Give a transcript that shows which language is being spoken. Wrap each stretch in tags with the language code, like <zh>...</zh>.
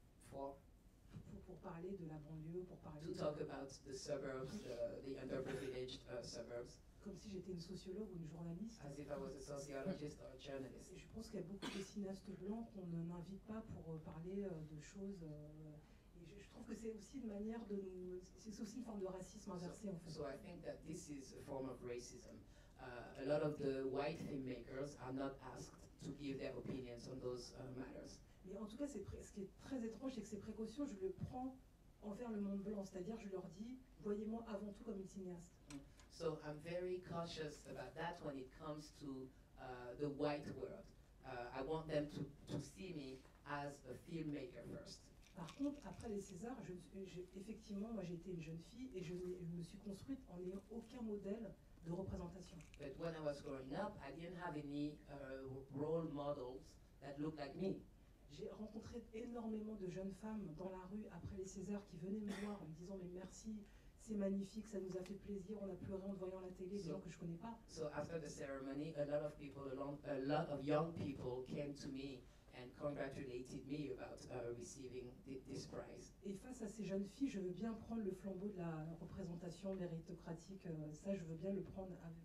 <fr>pour parler de la banlieue, pour parler</fr> <en>to talk about the suburbs, the underprivileged suburbs.</en> <fr>Comme si j'étais une sociologue ou une journaliste.</fr> <en>As if I was a sociologist or a journalist.</en> <fr>Et je pense qu'il y a beaucoup de cinéastes blancs qu'on ne m'invite pas pour parler de choses. Et je trouve que c'est aussi une manière de nous. C'est aussi une forme de racisme inversé, en fait.</fr> <en>So I think that this is a form of racism. A lot of the white filmmakers are not asked to give their opinions on those matters.</en> <fr>Mais en tout cas, ce qui est très étrange, c'est que ces précautions, je les prends envers le monde blanc. C'est-à-dire, je leur dis, voyez-moi avant tout comme une cinéaste.</fr> <en>So I'm very cautious about that when it comes to the white world. I want them to see me as a filmmaker first.</en> <fr>Par contre, après les Césars, effectivement, moi, j'ai été une jeune fille et je me suis construite en n'ayant aucun modèle de représentation.</fr> <en>But when I was growing up, I didn't have any role models that looked like me.</en> <fr>J'ai rencontré énormément de jeunes femmes dans la rue après les Césars qui venaient me voir en me disant mais merci, c'est magnifique, ça nous a fait plaisir, on a pleuré en voyant la télé, des gens que je connais pas.</fr> <en>So after the ceremony, a lot of young people came to me and congratulated me about receiving this prize.</en> <fr>Et face à ces jeunes filles, je veux bien prendre le flambeau de la représentation méritocratique, ça je veux bien le prendre avec</fr>